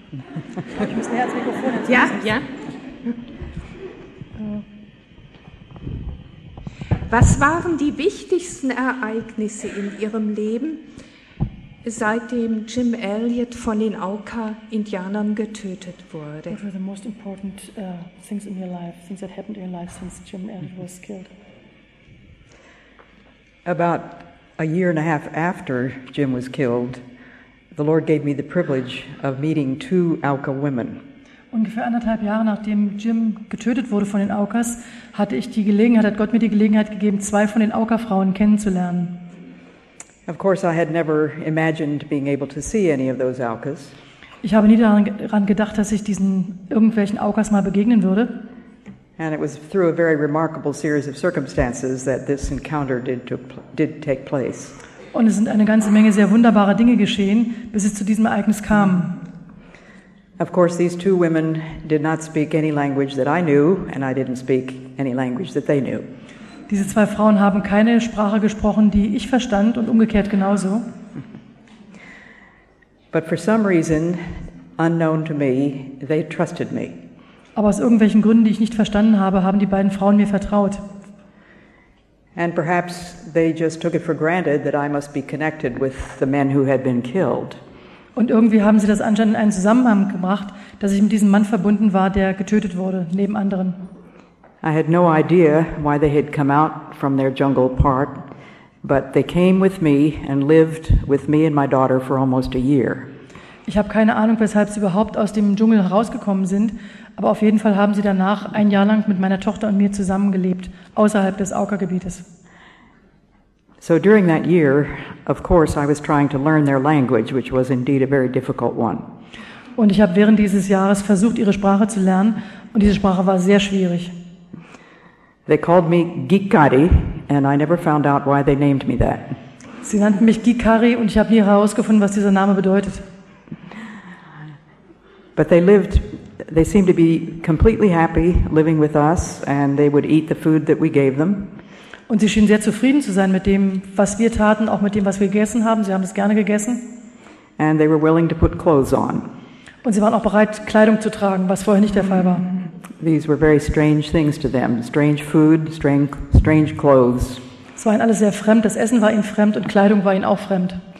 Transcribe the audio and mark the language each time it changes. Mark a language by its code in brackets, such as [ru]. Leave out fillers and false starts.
[de] Ich muss näher ans Mikrofon. Ja, ja. Was waren die wichtigsten Ereignisse in Ihrem Leben, seitdem Jim Elliott von den Auka-Indianern getötet wurde? [en] What were the most important things in your life, things that happened in your life since Jim Elliott was killed? About a year and a half after Jim was killed, the Lord gave me the privilege of meeting two Auka women. [de] Ungefähr anderthalb Jahre, nachdem Jim getötet wurde von den Aukas, hatte ich die Gelegenheit, hat Gott mir die Gelegenheit gegeben, zwei von den Auka-Frauen kennenzulernen. [en] Of course, I had never imagined being able to see any of those Aukas. [de] Ich habe nie daran gedacht, dass ich diesen irgendwelchen Aukas mal begegnen würde. [en] And it was through a very remarkable series of circumstances that this encounter did take place. [de] Und es sind eine ganze Menge sehr wunderbarer Dinge geschehen, bis es zu diesem Ereignis kam. [en] Of course, these two women did not speak any language that I knew, and I didn't speak any language that they knew. [de] Diese zwei Frauen haben keine Sprache gesprochen, die ich verstand, und umgekehrt genauso. [en] But for some reason, unknown to me, they trusted me. [de] Aber aus irgendwelchen Gründen, die ich nicht verstanden habe, haben die beiden Frauen mir vertraut. [en] And perhaps they just took it for granted that I must be connected with the men who had been killed. [de] Und irgendwie haben sie das anscheinend in einen Zusammenhang gebracht, dass ich mit diesem Mann verbunden war, der getötet wurde, neben anderen. [en] I had no idea why they had come out from their jungle park, but they came with me and lived with me and my daughter for almost a year. [de] Ich habe keine Ahnung, weshalb sie überhaupt aus dem Dschungel herausgekommen sind, aber auf jeden Fall haben sie danach ein Jahr lang mit meiner Tochter und mir zusammengelebt, außerhalb des Auka-Gebietes. [en] So during that year, of course, I was trying to learn their language, which was indeed a very difficult one. [de] Und ich habe während dieses Jahres versucht, ihre Sprache zu lernen, und diese Sprache war sehr schwierig. [en] They called me Gikari, and I never found out why they named me that. [de] Sie nannten mich Gikari, und ich habe nie herausgefunden, was dieser Name bedeutet. [en] But they seemed to be completely happy living with us, and they would eat the food that we gave them. [de] Und sie schienen sehr zufrieden zu sein mit dem, was wir taten, auch mit dem, was wir gegessen haben. Sie haben es gerne gegessen. [en] And they were willing to put clothes on. [de] Und sie waren auch bereit, Kleidung zu tragen, was vorher nicht der Fall war. [en] These were very strange things to them. Strange food, strange clothes. [de] Es war ihnen alles sehr fremd. Das Essen war ihnen fremd und Kleidung war ihnen auch fremd.